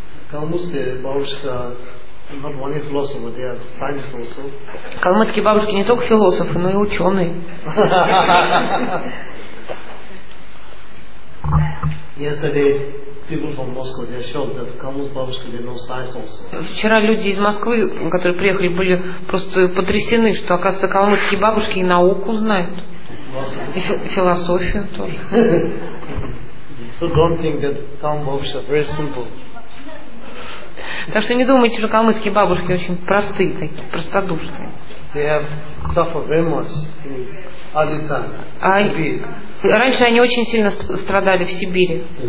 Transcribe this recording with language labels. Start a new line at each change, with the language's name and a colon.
Russian: Калмыцкие бабушки
English: not only philosophers, they are scientists also.
Russian: Калмыцкие бабушки не только философы, но и ученые.
English: Yesterday people from Moscow, they showed that Kalmus бабушки, they know science also.
Russian: Вчера люди из Москвы, которые приехали, были просто потрясены, что, оказывается, калмыцкие бабушки и науку знают. И философию тоже.
English: So don't think that Kalmus бабушки are very simple.
Russian: Так что не думайте, что калмыцкие бабушки очень простые, такие, простодушные.
English: They have suffered very much in Adichan, Sibir.
Russian: Раньше они очень сильно страдали в Сибири.